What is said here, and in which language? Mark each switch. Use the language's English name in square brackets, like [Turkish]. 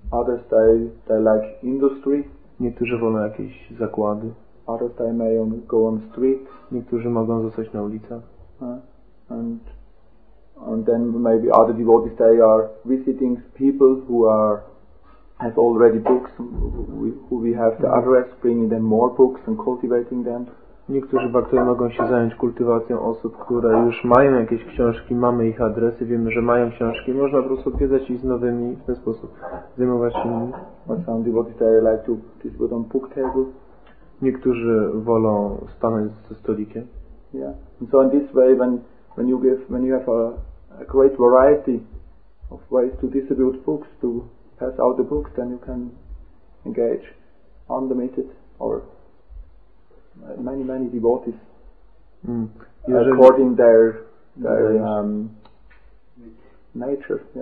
[English] Others, they like industry. [Polish] Niektórzy wolą jakieś zakłady. [English] Others, they may go on street. [Polish] Niektórzy mogą zostać na ulicach. [English] And then maybe other devotees, they are visiting people who have already books, who we have the address, bringing them more books and cultivating them. [Polish] Niektórzy baktowie mogą się zająć kultywacją osób, które już mają jakieś książki, mamy ich adresy, wiemy, że mają książki, można po prostu odwiedzać ich z nowymi, w ten sposób zajmować się nimi. [English] But some devotees, they like to put on book table. [Polish] Niektórzy wolą stanąć ze stolikiem. Yeah. [English] And so in this way, when you have a great variety of ways to distribute books, to pass out the books, then you can engage unlimited or many, many devotees according their nature.